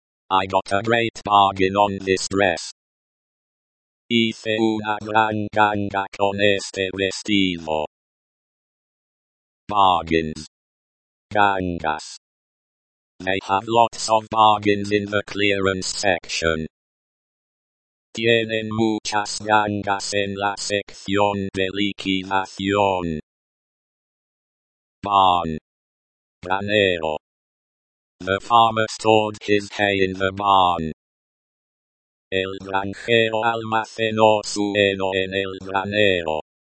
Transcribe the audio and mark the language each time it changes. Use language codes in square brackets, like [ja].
[en] I got a great bargain on this dress. [es] Hice una gran ganga con este vestido. [en] Bargains. Gangas. They have lots of bargains in the clearance section. [es] Tienen muchas gangas en la sección de liquidación. Barn. Granero. [en] The farmer stored his hay in the barn. [es] El granjero almacenó su heno en el granero.